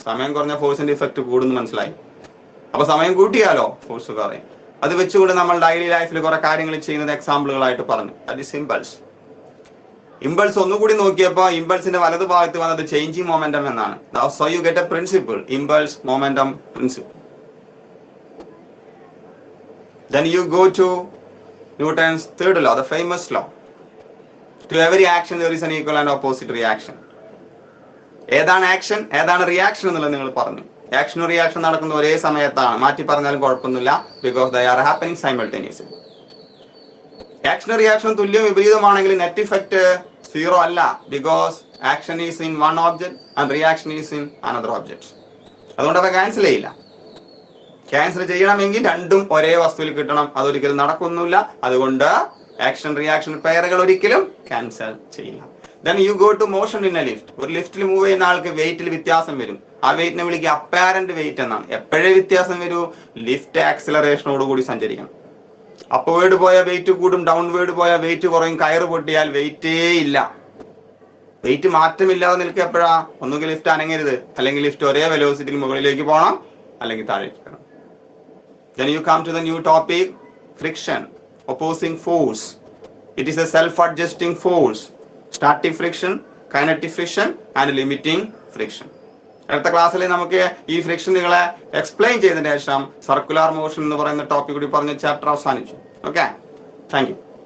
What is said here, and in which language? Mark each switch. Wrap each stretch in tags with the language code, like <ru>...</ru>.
<ml>സമയം കുറഞ്ഞ ഫോഴ്സിന്റെ ഇഫക്റ്റ് കൂടുന്നു, മനസ്സിലായി? അപ്പൊ സമയം കൂട്ടിയാലോ ഫോഴ്സ് കുറയും. അത് വെച്ചുകൊണ്ട് നമ്മൾ ഡെയിലി ലൈഫിൽ കുറെ കാര്യങ്ങൾ ചെയ്യുന്നത് എക്സാമ്പിളുകളായിട്ട് പറഞ്ഞു.</ml> <en>That is impulse.</en> <ml>ഇമ്പൾസ് ഒന്നുകൂടി നോക്കിയപ്പോ ഇമ്പൾസിന്റെ വലതുഭാഗത്ത് വന്നത് ചേഞ്ചിങ് മൊമെന്റം എന്നാണ്.</ml> <en>So you get a principle, impulse momentum principle. Then you go to Newton's third law, the famous law. To every action there is an equal and opposite reaction.</en> <ml>ഏതാണ് action ഏതാണ് reaction എന്നുള്ളത് നിങ്ങൾ പറഞ്ഞു. ആക്ഷനും റിയാക്ഷനും നടക്കുന്ന ഒരേ സമയത്താണ്, മാറ്റി പറഞ്ഞാലും കുഴപ്പമൊന്നുമില്ല,</ml> <en>Because they are happening simultaneously.</en> <ml>ആക്ഷനും റിയാക്ഷനും തുല്യം വിപരീതമാണെങ്കിൽ നെറ്റ് ഇഫക്റ്റ് സീറോ അല്ല,</ml> <en>Because action is in one object and reaction is in another object.</en> <ml>അതുകൊണ്ട് അവ ക്യാൻസൽ ചെയ്യില്ല. ക്യാൻസൽ ചെയ്യണമെങ്കിൽ രണ്ടും ഒരേ വസ്തുവിൽ കിട്ടണം, അതൊരിക്കലും നടക്കുന്നില്ല. അതുകൊണ്ട് ആക്ഷൻ റിയാക്ഷൻ പെയറുകൾ ഒരിക്കലും ക്യാൻസൽ ചെയ്യില്ല.</ml> <en>Then you go to motion in a lift.</en> <ml>ഒരു ലിഫ്റ്റിൽ മൂവ് ചെയ്യുന്ന ആൾക്ക് വെയിറ്റിൽ വ്യത്യാസം വരും. ആ വെയിറ്റിനെ വിളിക്കുക അപ്പാരന്റ് വെയിറ്റ് എന്നാണ്. എപ്പോഴേ വ്യത്യാസം വരൂ? ലിഫ്റ്റ് ആക്സിലറേഷനോടുകൂടി സഞ്ചരിക്കണം. അപ്പർവേർഡ് പോയാൽ വെയിറ്റ് കൂടും, ഡൗൺവേർഡ് പോയാൽ വെയിറ്റ് കുറയും. കയറ് പൊട്ടിയാൽ വെയിറ്റേ ഇല്ല. വെയിറ്റ് മാറ്റമില്ലാതെ നിൽക്കുക എപ്പോഴാ? ഒന്നുകിൽ ലിഫ്റ്റ് അനങ്ങരുത്, അല്ലെങ്കിൽ ലിഫ്റ്റ് ഒരേ വെലോസിറ്റിയിൽ മുകളിലേക്ക് പോകണം, അല്ലെങ്കിൽ താഴേക്ക് വരണം.</ml> <en>Then you come to the new topic, friction, opposing force. It is a self-adjusting force, static friction, kinetic friction, and limiting friction.</en> <ml>അടുത്ത ക്ലാസ്സിൽ നമുക്ക് ഈ ഫ്രിക്ഷൻ നിങ്ങളെ എക്സ്പ്ലെയിൻ ചെയ്തതിന് ശേഷം സർക്കുലാർ മോഷൻ എന്ന് പറയുന്ന ടോപ്പിക് കൂടി പറഞ്ഞ ചാപ്റ്റർ അവസാനിച്ചു.</ml> <en>Okay, thank you.</en>